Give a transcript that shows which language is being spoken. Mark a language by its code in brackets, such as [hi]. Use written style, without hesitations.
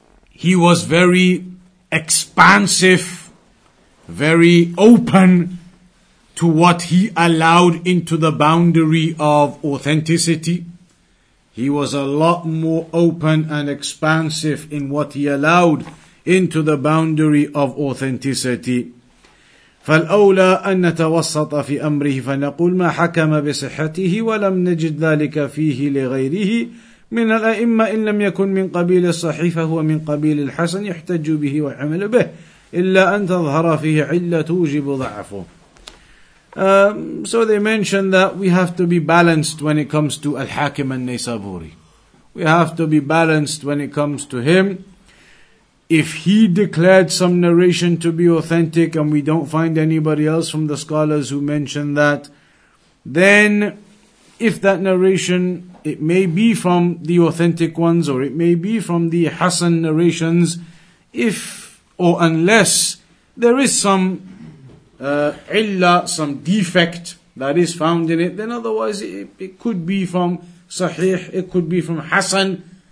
[en] He was very expansive, very open to what he allowed into the boundary of authenticity. He was a lot more open and expansive in what he allowed into the boundary of authenticity. [ar] فالأولى أن نتوسط في أمره فنقول ما حكم بصحته ولم نجد ذلك فيه لغيره من الأئمة إن لم يكن من قبيل الصحيفة هو من قبيل الحسن يحتج به وعمل به إلا أن تظهر فيه علة توجب ضعفه. [en] So they mentioned that we have to be balanced when it comes to Al-Hakim al-Naysaburi. We have to be balanced when it comes to him. If he declared some narration to be authentic and we don't find anybody else from the scholars who mentioned that, then if that narration, it may be from the authentic ones or it may be from the Hassan narrations, if or unless there is some illah, some defect that is found in it, then otherwise it could be from Sahih, it could be from Hassan.